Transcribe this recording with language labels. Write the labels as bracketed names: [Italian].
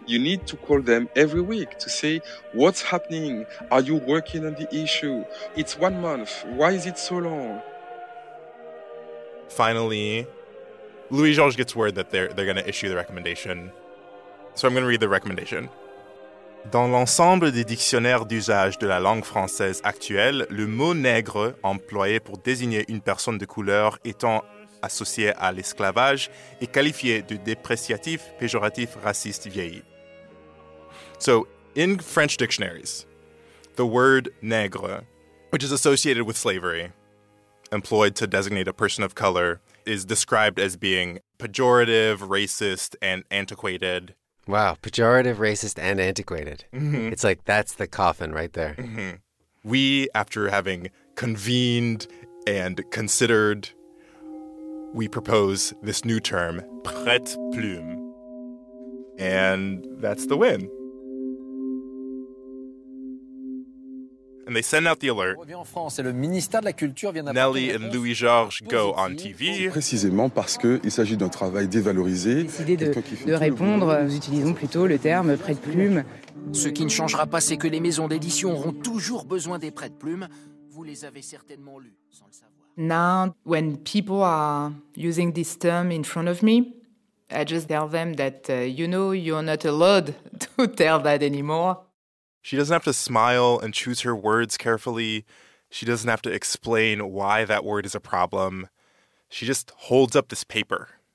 [English] You need to call them every week to say, what's happening? Are you working on the issue? It's 1 month. Why is it so long? Finally, Louis-Georges gets word that they're going to issue the recommendation. So I'm going to read the recommendation. [French] Dans l'ensemble des dictionnaires d'usage de la langue française actuelle, le mot nègre, employé pour désigner une personne de couleur étant associée à l'esclavage, est qualifié de dépréciatif, péjoratif, raciste, vieilli. [English] So, in French dictionaries, the word nègre, which is associated with slavery, employed to designate a person of color, is described as being pejorative, racist, and antiquated. Wow, pejorative, racist, and antiquated. Mm-hmm. It's like, that's the coffin right there. Mm-hmm. We, after having convened and considered, we propose this new term, prête plume. And that's the win. And they send out the alert. Nelly and Louis-Georges go on TV. [French] Précisément parce qu'il s'agit d'un travail dévalorisé. Décider de répondre, nous utilisons plutôt le terme prête-plume. Ce qui ne changera pas, c'est que les maisons d'édition auront toujours besoin des prête-plumes. Vous les avez certainement lus, sans le savoir. [English] Now, when people are using this term in front of me, I just tell them that, you know, you're not allowed to tell that anymore. She doesn't have to smile and choose her words carefully. She doesn't have to explain why that word is a problem. She just holds up this paper.